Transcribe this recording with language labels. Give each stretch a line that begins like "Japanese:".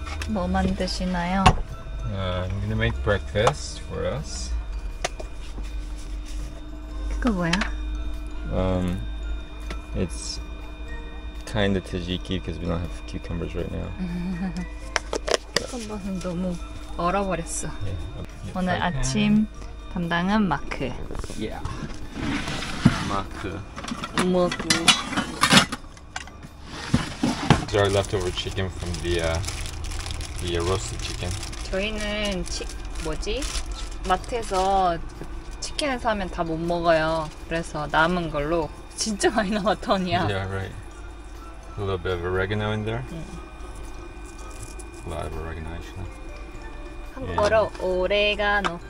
Korean: 뭐 만드시나요?
English: I'm gonna make breakfast for us.
Korean: 그거 뭐야?
English: It's kind of tzatziki because we don't have cucumbers right now.
Korean: 쿠컴버는 너무 얼어버렸어. 오늘 아침 담당은 마크.
English: Yeah. 마크.
Korean: 마크.
English: These are leftover chicken from the roasted chicken.
Korean: 저희는 뭐지? 마트에서 치킨을 사면 다 못 먹어요. 그래서 남은 걸로 진짜 많이 남았더니야.
English: Yeah, right. A little bit of oregano in there. Mm. A lot of oregano, actually.
Korean: 한국어로 오레가노.